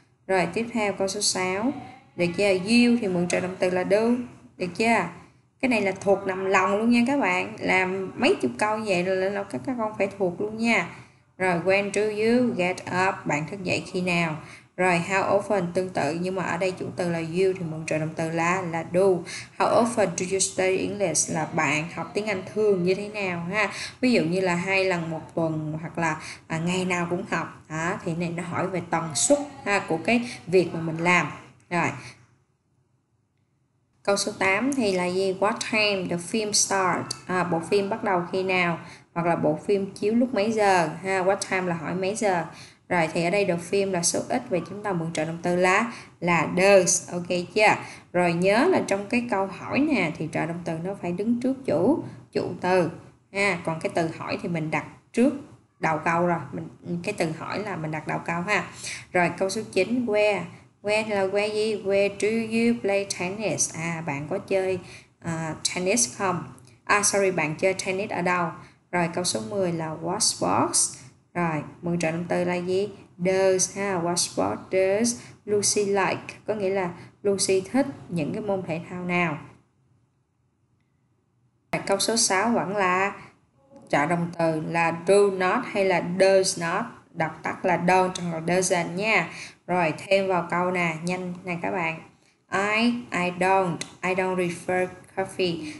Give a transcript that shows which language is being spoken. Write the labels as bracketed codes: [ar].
[vi] Rồi tiếp theo câu số 6. Được chưa? You thì mượn trợ động từ là do. Được chưa? Cái này là thuộc nằm lòng luôn nha các bạn. Làm mấy chục câu như vậy là các con phải thuộc luôn nha. Rồi [en] when do you get up? [vi] Bạn thức dậy khi nào? Rồi how often tương tự, nhưng mà ở đây chủ từ là you thì mượn trợ động từ là do. [en] How often do you study English? [vi] Là bạn học tiếng Anh thường như thế nào ha. Ví dụ như là 2 lần một tuần hoặc là ngày nào cũng học hả, thì này nó hỏi về tần suất ha của cái việc mà mình làm. Rồi câu số 8 thì là gì? [en] What time the film start? [vi] Bộ phim bắt đầu khi nào, hoặc là bộ phim chiếu lúc mấy giờ ha. What time là hỏi mấy giờ. Rồi thì ở đây the film là số ít, vậy chúng ta mượn trợ động từ là does, ok chưa? Rồi nhớ là trong cái câu hỏi nè thì trợ động từ nó phải đứng trước chủ chủ từ ha. Còn cái từ hỏi thì mình đặt trước đầu câu, rồi cái từ hỏi là mình đặt đầu câu ha. Rồi câu số 9, where. Where là where gì? [en] Where do you play tennis? [vi] À, bạn có chơi tennis không? À sorry, bạn chơi tennis ở đâu? Rồi câu số 10 là what sports? Rồi, 10 trò động từ là gì? [en] Does ha, what sport does Lucy like? [vi] Có nghĩa là Lucy thích những cái môn thể thao nào? Rồi, câu số 6 vẫn là trò động từ là do not hay là does not, đọc tắt là don't hoặc doesn't nha. Rồi, thêm vào câu nè, nhanh nè các bạn. [en] I don't prefer coffee.